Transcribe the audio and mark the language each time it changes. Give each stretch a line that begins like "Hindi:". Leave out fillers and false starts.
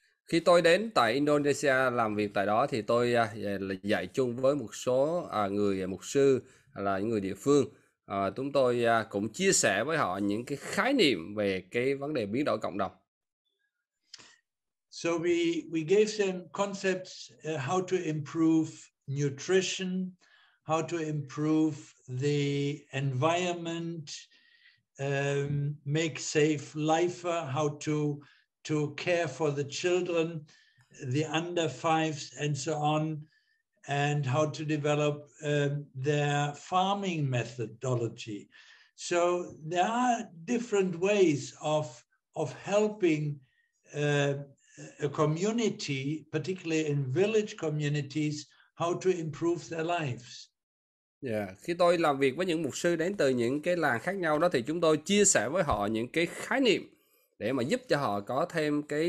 Vietnamese: Khi tôi đến tại Indonesia làm việc tại đó thì tôi dạy chung với một số người mục sư là những người địa phương. Chúng tôi cũng chia sẻ với họ những cái khái niệm về cái vấn đề biến đổi cộng đồng.
English: So we gave them concepts how to improve nutrition, how to improve the environment, make safe life, how to care for the children, the under fives, and so on, and how to develop their farming methodology. So there are different ways of helping a community, particularly in village communities, how to improve their lives.
Vietnamese: Yeah, khi tôi làm việc với những mục sư đến từ những cái làng khác nhau đó thì chúng tôi chia sẻ với họ những cái khái niệm để mà giúp cho họ có thêm